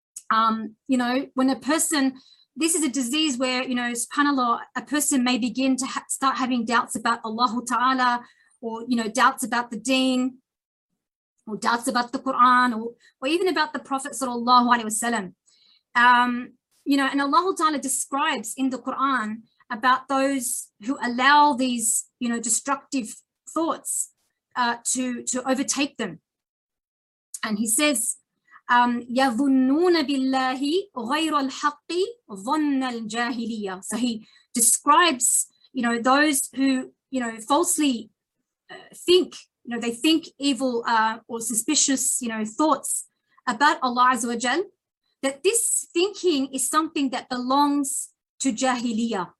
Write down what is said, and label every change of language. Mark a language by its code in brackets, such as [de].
[en] You know, when a person, this is a disease where, you know, subhanAllah, a person may begin to start having doubts about Allah Ta'ala, or, you know, doubts about the deen, or doubts about the Quran, or even about the Prophet Sallallahu Alaihi Wasallam. You know, and Allah Ta'ala describes in the Quran about those who allow these, you know, destructive thoughts to overtake them. And He says, [ar] يَظُنُّونَ بِاللَّهِ غَيْرَ الْحَقِّ ظَنَّ الْجَاهِلِيَّةِ. [en] So He describes, you know, those who, you know, falsely think, you know, they think evil or suspicious, you know, thoughts about Allah Azza wa Jal, that this thinking is something that belongs to Jahiliyyah.